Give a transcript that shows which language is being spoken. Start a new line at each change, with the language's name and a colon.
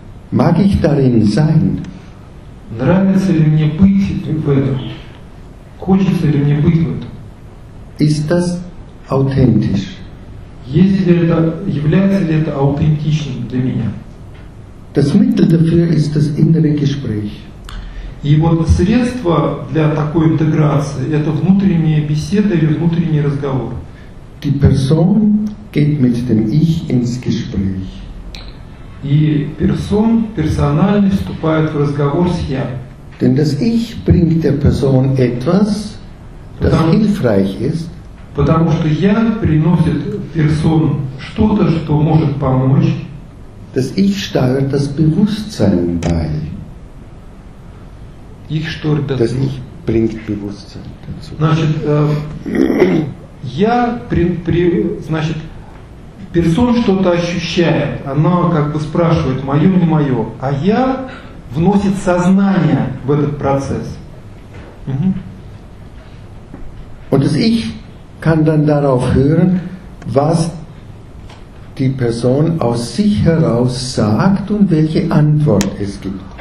German: Mag ich darin sein?
Russian: Нравится ли мне быть в этом? Хочется ли мне быть в этом?
German: Ist das authentisch?
Russian: Является ли это аутентичным для меня?
German: Das Mittel dafür ist das innere Gespräch.
Russian: И вот средство для такой интеграции – это внутренняя беседа или внутренний разговор.
German: Die Person geht mit dem Ich ins Gespräch.
Russian: И персональный вступает в разговор с Я.
German: Denn das Ich bringt der Person etwas, das hilfreich ist.
Russian: Потому что Я приносит персон что-то, что может помочь.
German: Das Ich steuert das Bewusstsein bei. Их штор das Ich bringt Bewusstsein dazu.
Russian: Значит, значит, персон что-то ощущает, оно как бы спрашивает, мое, не мое, а я вносит сознание в этот процесс.
German: Und das Ich kann dann darauf hören, was die Person aus sich heraus sagt und welche Antwort es gibt.